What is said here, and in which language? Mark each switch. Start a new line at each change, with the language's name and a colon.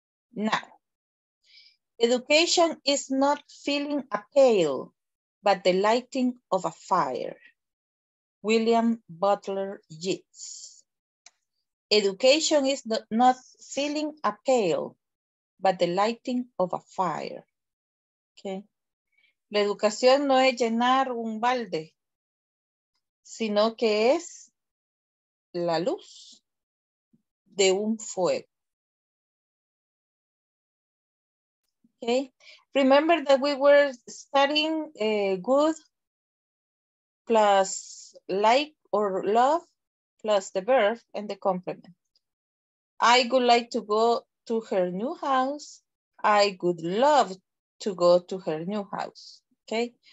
English: Now, education is not filling a pail, but the lighting of a fire. William Butler Yeats. Education is not filling a pail, but the lighting of a fire. Okay.
Spanish: La educación no es llenar un balde, sino que es la luz de un fuego.
English: Okay. Remember that we were studying good plus like or love plus the verb and the complement. I would like to go to her new house. I would love to go to her new house. Okay.